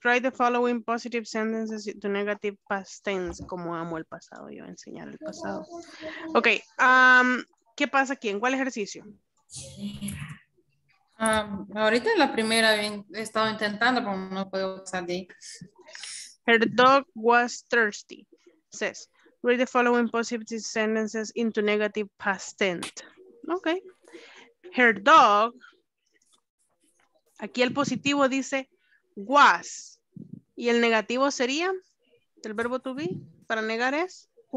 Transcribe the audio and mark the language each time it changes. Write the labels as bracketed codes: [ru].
[en] Write the following positive sentences to negative past tense. [es] Como amo el pasado, yo voy a enseñar el pasado. Ok. ¿Qué pasa aquí? ¿En cuál ejercicio? Ahorita es la primera, he estado intentando, pero no puedo salir. [en] Her dog was thirsty. Says, read the following positive sentences into negative past tense. Ok. Her dog, [es] aquí el positivo dice was, y el negativo sería, el verbo to be, para negar es?